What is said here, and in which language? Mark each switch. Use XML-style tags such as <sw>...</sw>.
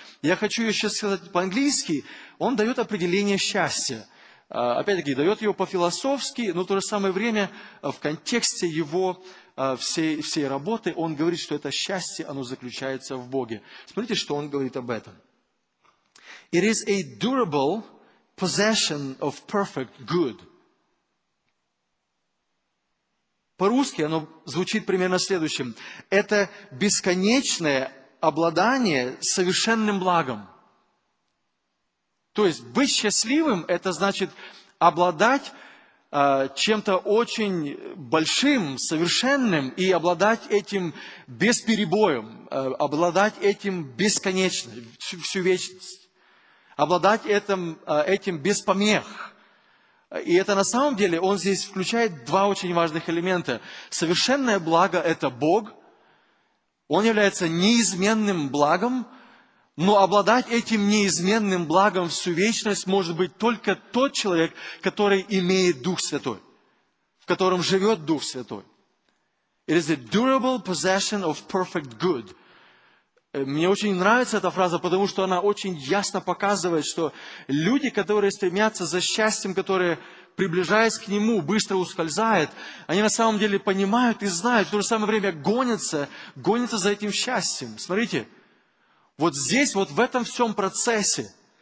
<ru>Я хочу ее сейчас сказать по-английски. Он дает определение счастья. Опять-таки, дает его по-философски, но в то же самое время в контексте его всей работы он говорит, что это счастье, оно заключается в Боге. Смотрите, что он говорит об этом.</ru> <en>It is a durable possession of perfect good.</en> <ru>По-русски оно звучит примерно следующим. Это бесконечное обладание совершенным благом. То есть быть счастливым, это значит обладать чем-то очень большим, совершенным, и обладать этим без перебоев, обладать этим бесконечно, всю вечность, обладать этим без помех. И это на самом деле, он здесь включает два очень важных элемента. Совершенное благо – это Бог. Он является неизменным благом. Но обладать этим неизменным благом всю вечность может быть только тот человек, который имеет Дух Святой, в котором живет Дух Святой.</ru> <en>It is a durable possession of perfect good.</en> <ru>Мне очень нравится эта фраза, потому что она очень ясно показывает, что люди, которые стремятся за счастьем, которые, приближаясь к нему, быстро ускользают, они на самом деле понимают и знают, в то же самое время гонятся за этим счастьем. Смотрите, вот здесь, вот в этом всем процессе</ru>